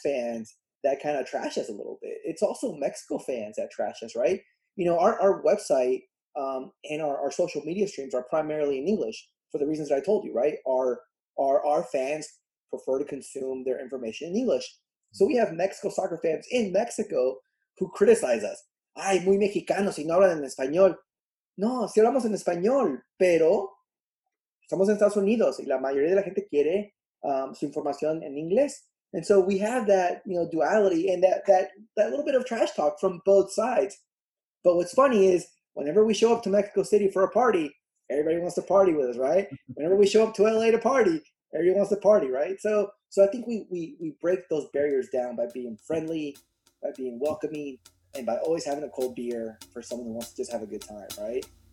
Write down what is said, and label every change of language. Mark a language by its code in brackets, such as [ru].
[en] fans that kind of trash us a little bit. It's also Mexico fans that trash us, right? You know, our website and our social media streams are primarily in English for the reasons that I told you, right? Our fans prefer to consume their information in English. So we have Mexico soccer fans in Mexico who criticize us. [es] Ay, muy mexicano, si no hablan en español. No, si hablamos en español, pero estamos en Estados Unidos y la mayoría de la gente quiere su información en inglés. [en] And so we have that, you know, duality and that little bit of trash talk from both sides. But what's funny is whenever we show up to Mexico City for a party, everybody wants to party with us, right? Whenever we show up to LA to party, everybody wants to party, right? So I think we break those barriers down by being friendly, by being welcoming, and by always having a cold beer for someone who wants to just have a good time, right?